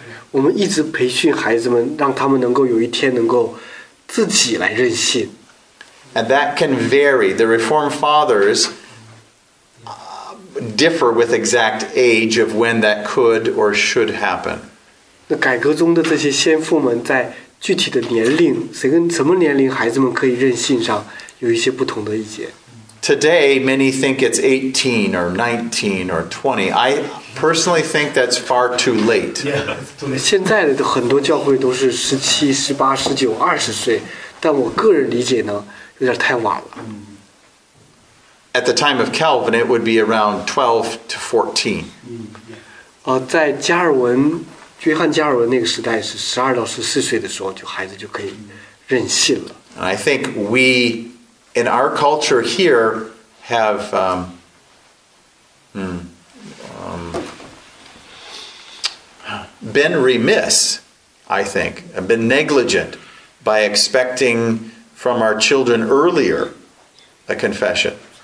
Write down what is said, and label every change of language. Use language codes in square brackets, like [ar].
[zh] 我们一直培训孩子们让他们能够有一天能够自己来认信 [en] and that can vary the Reformed Fathers differ with exact age of when that could or should happen [zh] 那改革中的这些先父们在具体的年龄谁跟什么年龄孩子们可以认信上有一些不同的意见 [en] Today many think it's 18 or 19 or 20 I personally think that's far too late. Yeah. [zh] 现在的很多教会都是十七、十八、十九、二十岁，但我个人理解呢，有点太晚了。 [en] At the time of Calvin, it would be around 12 to 14. [zh] 在加尔文、约翰加尔文那个时代是十二到十四岁的时候，就孩子就可以任信了。 [en] And I think we, in our culture here, have, been remiss, I think, and been negligent by expecting from our children earlier a confession.